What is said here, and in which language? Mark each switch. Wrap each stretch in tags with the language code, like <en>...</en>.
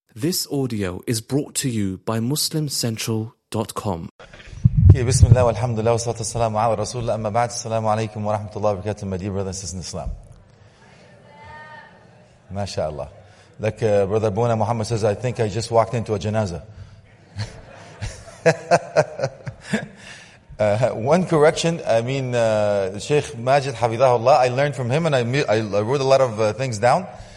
<en>This audio is brought to you by MuslimCentral.com.</en> <ar>بسم الله والحمد لله والصلاة والسلام على رسول الله أما بعد السلام عليكم ورحمة الله وبركاته</ar> <en>my dear brothers and sisters in Islam.</en> <ar>ما شاء الله.</ar> <en>Like brother Buna Muhammad says, I think I just walked into a janazah. One correction, I mean Sheikh Majid حفظه الله, I learned from him and I wrote a lot of things down.</en>